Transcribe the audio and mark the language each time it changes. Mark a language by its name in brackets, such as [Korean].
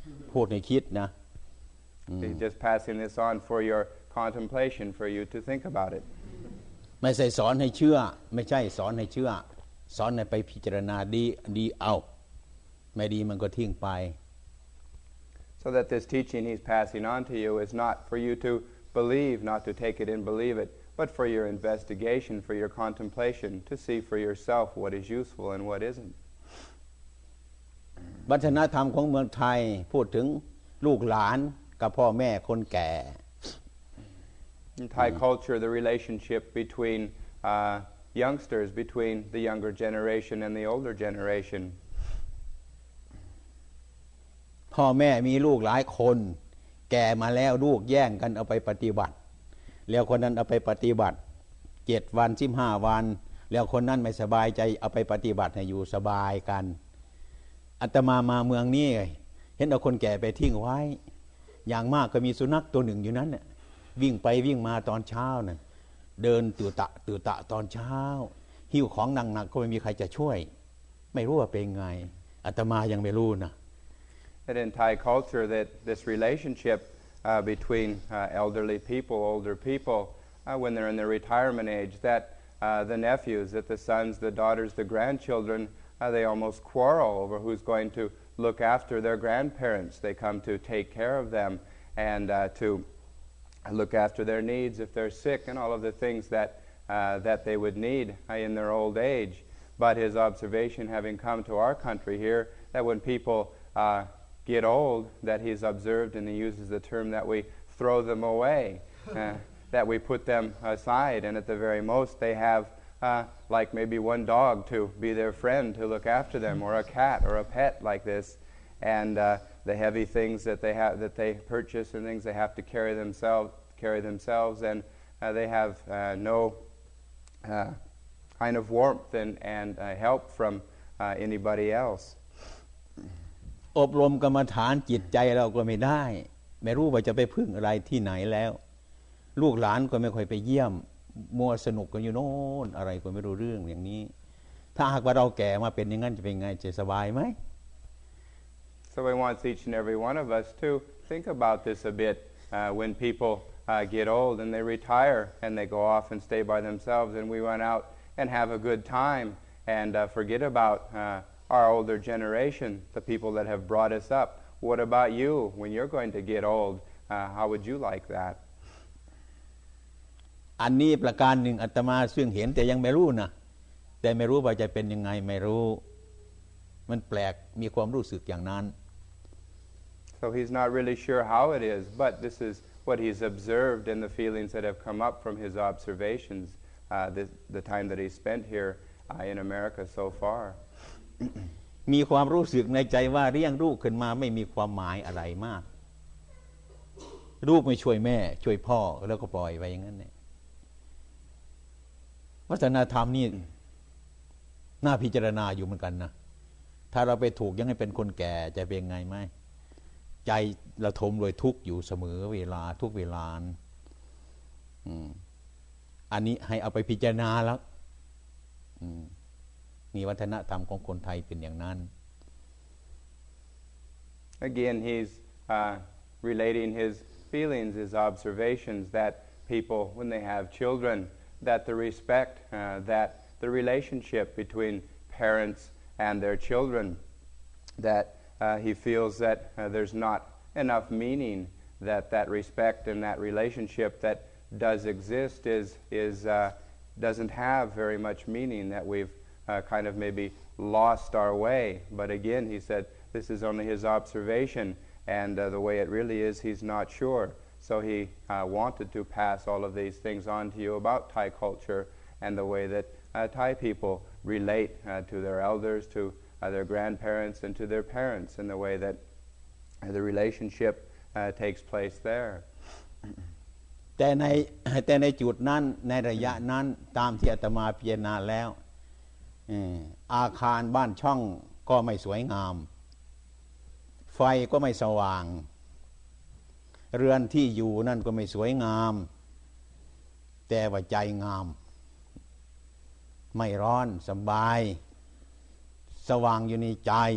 [English] He's just passing this on for your contemplation, for you to think about it. [Thai] ไม่ใช่สอนให้เชื่อไม่ใช่สอนให้เชื่อสอนให้ไปพิจารณาดีเอาไม่ดีมันก็ทิ้งไป [English] So that this teaching he's passing on to you is not for you to believe, not to take it and believe it, but for your investigation, for your contemplation, to see for yourself what is useful and what isn't. [Thai] วัฒนธรรมของเมืองไทยพูดถึงลูกหลานกับพ่อแม่คนแก่ [English] In Thai culture, the relationship between youngsters, between the younger generation and the older generation. [Thai] พ่อแม่มีลูกหลายคนแก่มาแล้วลูกแย่งกันเอาไปปฏิบัติแล้วคนนั้นเอาไปปฏิบัติ7วัน15วันแล้วคนนั้นไม่สบายใจเอาไปปฏิบัติให้อยู่สบายกันอาตมามาเมืองนี้เห็นเอาคนแก่ไปทิ้งไว้อย่างมากก็มีสุนัขตัวหนึ่งอยู่นั้นน่ะวิ่งไปวิ่งมาตอนเช้าน่ะเดินตื่ตะตื่ตะตอนเช้าหิ้วของหนักๆก็ไม่มีใครจะช่วยไม่รู้ว่าเป็นไงอาตมายังไม่รู้นะ [English] That in Thai culture, that this relationship between elderly people, older people, when they're in their retirement age, that the nephews, that the sons, the daughters, the grandchildren, they almost quarrel over who's going to look after their grandparents. They come to take care of them and to look after their needs if they're sick and all of the things that that they would need in their old age. But his observation, having come to our country here, that when people get old that he's observed and he uses the term that we throw them away that we put them aside and at the very most they have like maybe one dog to be their friend to look after them or a cat or a pet like this and the heavy things that they have that they purchase and things they have to carry themselves and they have no kind of warmth and help from anybody else [Thai] อบรมกรรมฐานจิตใจเราก็ไม่ได้ไม่รู้ว่าจะไปพึ่งอะไรที่ไหนแล้วลูกหลานก็ไม่ค่อยไปเยี่ยมมัวสนุกกันอยู่โน่นอะไรก็ไม่รู้เรื่องอย่างนี้ถ้าหากว่าเราแก่มาเป็นอย่างนั้นจะเป็นไงจะสบายไหม [English] So I want each and every one of us to think about this a bit when people get old and they retire and they go off and stay by themselves and we run out and have a good time and forget about our older generation, the people that have brought us up. What about you when you're going to get old? How would you like that? [Thai] อันนี้ประการหนึ่งอาตมาซึ่งเห็นแต่ยังไม่รู้นะแต่ไม่รู้ว่าจะเป็นยังไงไม่รู้มันแปลกมีความรู้สึกอย่างนั้น [English] So he's not really sure how it is, but this is what he's observed and the feelings that have come up from his observations the time that he spent here in America so far. [Thai] มีความรู้สึกในใจว่าเรียงลูกขึ้นมาไม่มีความหมายอะไรมากลูกไม่ช่วยแม่ช่วยพ่อแล้วก็ปล่อยไปอย่างนั้นเนี่ย วัฒนธรรมนี่น่าพิจารณาอยู่เหมือนกันนะถ้าเราไปถูกยังให้เป็นคนแก่จะเป็นไงไหมใจระทมโดยทุกข์อยู่เสมอเวลาทุกเวลาอันนี้ให้เอาไปพิจารณาแล้วนี่วัฒนธรรมของคนไทยเป็นอย่างนั้น [English] Again he's relating his feelings his observations that people when they have childrenthat the respect, that the relationship between parents and their children, that he feels that there's not enough meaning, that that respect and that relationship that does exist is doesn't have very much meaning, that we've kind of maybe lost our way. But again, he said, this is only his observation, and the way it really is, he's not sure. So he wanted to pass all of these things on to you about Thai culture and the way that Thai people relate to their elders, to their grandparents, and to their parents, and the way that the relationship takes place there. [Thai] แต่ในจุดนั้นในระยะนั้นตามที่อาตมาพิจารณาแล้วอาคารบ้านช่องก็ไม่สวยงามไฟก็ไม่สว่างเรือนที่อยู่นั่นก็ไม่สวยงามแต่ว่าใจงามไม่ร้อนสบายสว่างอยู่ในใจ